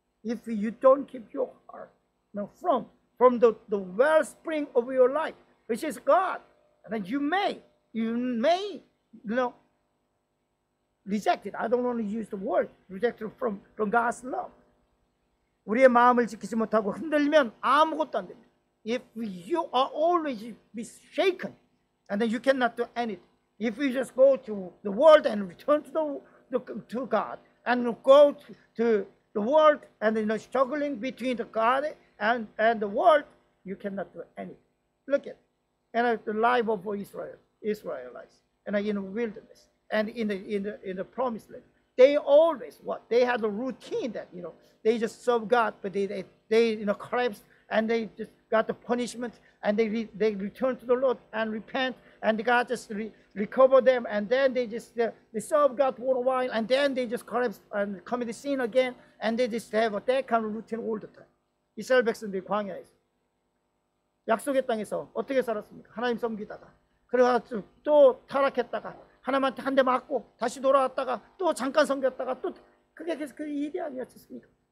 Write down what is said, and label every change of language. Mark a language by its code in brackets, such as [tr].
[en] If you don't keep your heart now from the wellspring of your life, which is God, and then you may, you know, reject it. I don't want to use the word rejected from God's love. [ko] 우리의 마음을 지키지 못하고 흔들리면 아무것도 안 됩니다. [en] If you are always be shaken, and then you cannot do anything. If you just go to the world and return to God, and go to the world and you know struggling between the God and the world, you cannot do anything. Look at it. And the life of Israelites, and in the wilderness, and in the promised land, they always what they had a routine that you know they just serve God, but they you know collapsed and they just got the punishment, and they return to the Lord and repent, and God just recover them, and then they just they serve God for a while, and then they just collapse and commit the sin again, and they just have that kind of routine all the time. [ko] Israel 백성들이 광야에서 약속의 땅에서 어떻게 살았습니까? 하나님 섬기다가 그러다 또 타락했다가 하나님한테 한 대 맞고 다시 돌아왔다가 또 잠깐 섬겼다가 또 그게 계속 그 일이 아니었습니까?